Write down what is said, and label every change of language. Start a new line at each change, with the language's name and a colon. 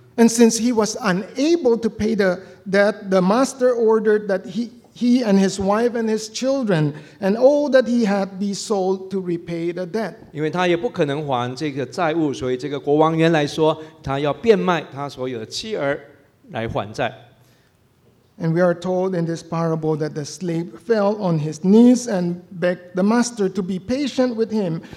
English: And since he was unable to pay the debt, the master ordered that he and his wife and his children and all that he had be sold to repay the debt.
Chinese: 因为他也不可能还这个债务，所以这个国王原来说他要变卖他所有的妻儿来还债。
English: And we are told in this parable that the slave fell on his knees and begged the master to be patient with him.